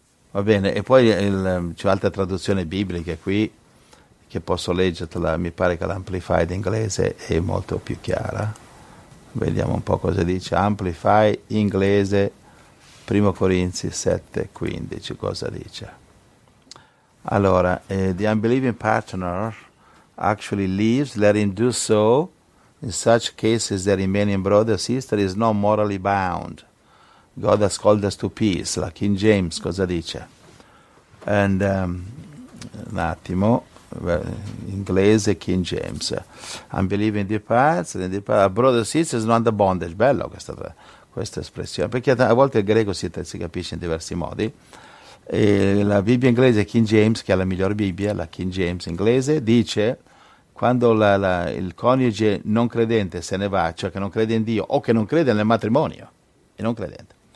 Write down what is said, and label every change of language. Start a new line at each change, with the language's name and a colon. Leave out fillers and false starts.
Italian: Va bene, e poi c'è un'altra traduzione biblica qui, che posso leggerla, mi pare che l'Amplified inglese è molto più chiara. Vediamo un po' cosa dice, Amplified inglese, 1 Corinzi 7:15, cosa dice?
English: Allora, the unbelieving partner actually leaves, let him do so, in such cases the remaining brother or sister is not morally bound. God has called us to peace, la King James cosa dice?
Italian: And un attimo, inglese King James.
English: Unbelieving departs, a brother sister is not under bondage.
Italian: Bello questa espressione, perché a volte il greco si capisce in diversi modi. E la Bibbia inglese King James, che è la migliore Bibbia, la King James inglese, dice: quando il coniuge non credente se ne va, cioè che non crede in Dio o che non crede nel matrimonio, e non credente.